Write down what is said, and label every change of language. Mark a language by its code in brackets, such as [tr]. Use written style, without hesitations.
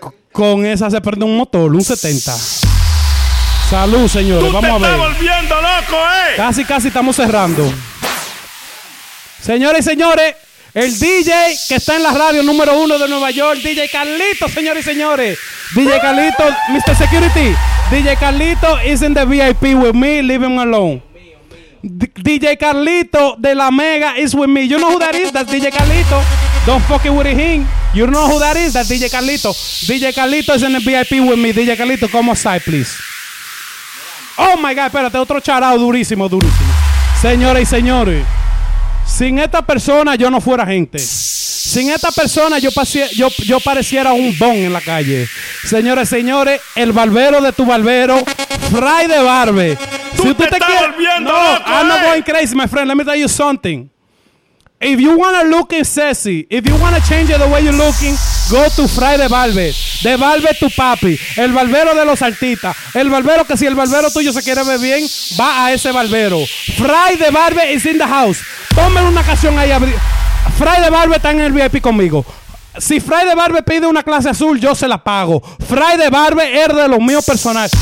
[es] Con esa se prende un motor, un 70. Salud, señores. Vamos a ver. ¡Tú te estás volviendo loco, eh! Casi, casi estamos cerrando. Señores y señores, el DJ que está en la radio número uno de Nueva York, DJ Carlito, señores y señores. [en] DJ Carlito, Mr. Security. DJ Carlito is in the VIP with me, leave him alone. DJ Carlito de la Mega is with me. You know who that is, that's DJ Carlito. Don't fuck it with him. You know who that is, that's DJ Carlito. DJ Carlito is in the VIP with me. DJ Carlito, come outside, please. Oh my God, [es] espérate, otro charao durísimo, durísimo. Señores y señores, sin esta persona yo no fuera gente. Sin esta persona yo pareciera un bon en la calle. Señores, señores, el barbero de tu barbero, Fry de Barbe. Tú te estás volviendo loco, [en] I'm not going crazy, my friend. Let me tell you something. If you want to look sexy, if you want to change the way you're looking, Go to [es] Fry de Valve. De Valve tu papi. El barbero de los artistas. El barbero que si el barbero tuyo se quiere ver bien, va a ese barbero. Fry de Valve [en] is in the house. [es] Tómenle una canción ahí. Fry de Valve está en el VIP conmigo. Si Fry de Barbe pide una clase azul, yo se la pago. Fry de Barbe es de lo mío personal.